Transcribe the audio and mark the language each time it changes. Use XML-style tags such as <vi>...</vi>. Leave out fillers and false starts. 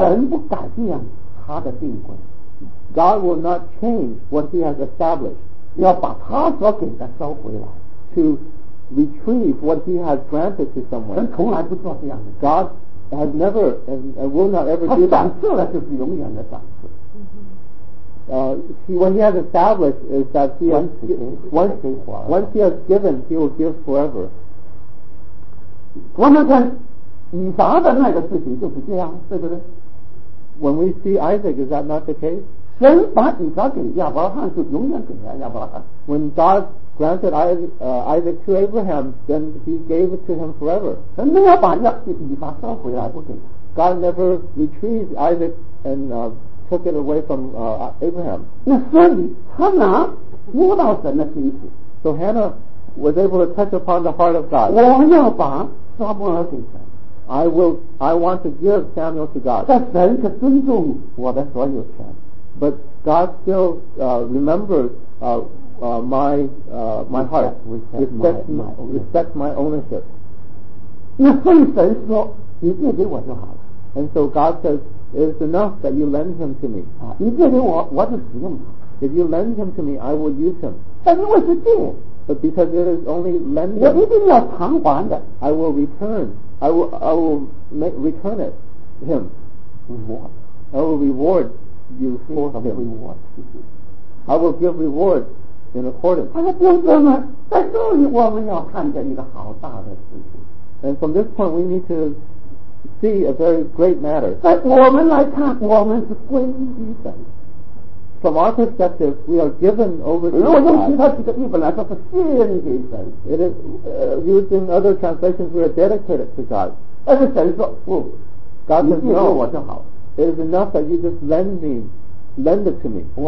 <zh>神不改变他的定规。</zh> <en>God will not change what he has established.</en> <zh>要把他所给的收回来。</zh> <en>To retrieve what he has granted to someone.</en> <zh>神从来不做这样的。</zh> <en>God has never and will not ever do that.</en> <zh>他赏赐了就是永远的赏赐。</zh> <en>What he has established is that once he has given, he will give forever.</en> <zh>我们看以撒的那个事情就是这样，对不对</zh> <en>？When we see Isaac, is that not the case?</en> <zh>神把以撒给亚伯拉罕，就永远给亚伯拉罕。</zh> <en>When God granted Isaac to Abraham, then he gave it to him forever.</en> <zh>神没有把以撒收回来，不给。</zh> <en>God never retrieved Isaac and took it away from Abraham.</en> <zh>那孙子他哪摸到神的心思</zh> <en>？So Hannah was able to touch upon the heart of God.</en> <zh>我要把撒母耳给神。</zh> <en>I want to give Samuel to God.</en> <zh>但神是尊重我的所有权。</zh> <en>But God still remembers my heart. Respect my ownership.</en> <zh>那所以神说，你借给我就好了。</zh> <en>And so God says, it's enough that you lend him to me.</en> <zh>你借给我，我就使用他。</zh> <en>If you lend him to me, I will use him.</en> <zh>但因为是借。</zh> <en>But because it is only lending,</en> <zh>我一定要偿还的。</zh> <en>I will return. I will return it him. Reward. I will reward you for the reward. I will give reward in accordance.</en> <zh>啊，弟兄们，在这里我们要看见一个好大的事情。</zh> <en>And from this point, we need to see a very great matter.</en> <zh>在我们来看，我们是归于神。</zh> <en>From our perspective, we are given over to God. It is used in other translations, we are dedicated to God. God says, no, it is enough that you just lend it to me.</en>